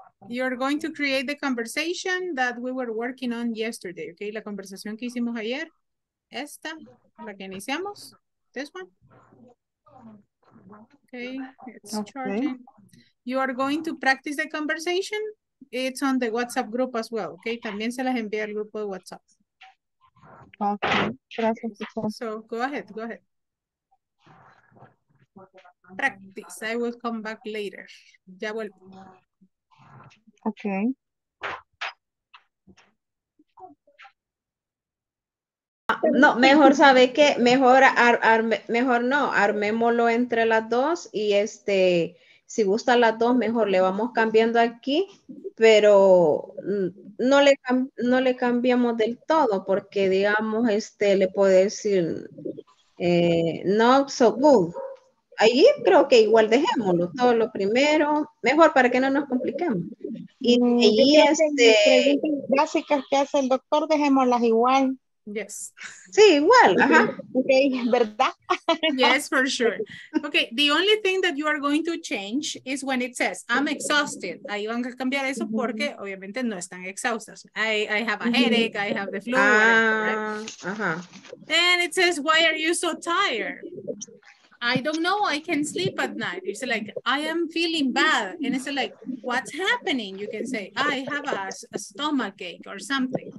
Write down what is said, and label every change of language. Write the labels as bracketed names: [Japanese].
[English] You're going to create the conversation that we were working on yesterday, okay? [Spanish] La conversación que hicimos ayer, esta, la que iniciamos, [English] this one. Okay, it's okay. charging. You are going to practice the conversation. It's on the WhatsApp group as well, okay? [Spanish] También se las envía al grupo de WhatsApp. Okay, gracias. [English] So go ahead, go ahead. Practice, I will come back later. [Spanish] Ya vuelvo. [English] Okay. [Spanish] No, mejor sabe que mejor mejor no, armémoslo entre las dos y este, si gusta las dos, mejor le vamos cambiando aquí, pero no le cambiamos del todo, porque digamos, este, le puedo decir, [English] not so good. [Spanish] Ahí creo que igual dejémoslo, todo lo primero, mejor para que no nos compliquemos. Y ahí este. Básicas que hace el doctor, dejémoslas igual. [English] Yes. [Spanish] Sí, igual. Ajá. Okay, ¿verdad? [English] Yes, for sure. Okay, the only thing that you are going to change is when it says, I'm exhausted. [Spanish] Ahí van a cambiar eso porque obviamente no están exhaustas. [English] I have a headache, I have the flu. [Spanish] Ajá. [English] And it says, why are you so tired? I don't know, I can sleep at night. It's like, I am feeling bad. And it's like, what's happening? You can say, I have a stomachache or something.